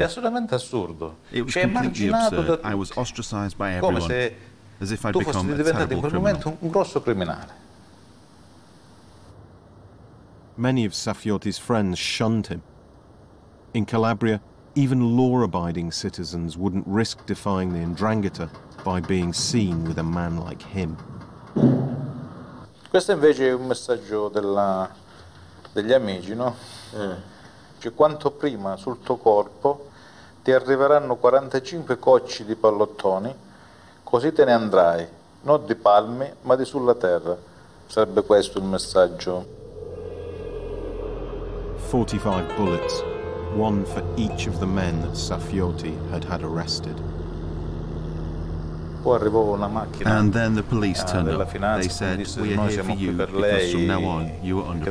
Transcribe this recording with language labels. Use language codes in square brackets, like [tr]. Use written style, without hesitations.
[en] It was completely absurd. I was ostracized by everyone, as if I'd become a terrible criminal. Many of Saffiotti's friends shunned him. In Calabria, even law-abiding citizens wouldn't risk defying the Ndrangheta by being seen with a man like him. [it] Questo invece è un messaggio degli amici, no? Cioè, quanto prima sul tuo corpo ti arriveranno 45 cocci di pallottoni, così te ne andrai, non di palme, ma di sulla terra. Sarebbe questo il messaggio. [en] 45 bullets, one for each of the men that Safioti had had arrested. [it] Poi arrivò una macchina. [en] And then the police turned up. They said, "We are here for you, [it] per lei, [en] because from now on you are under protection."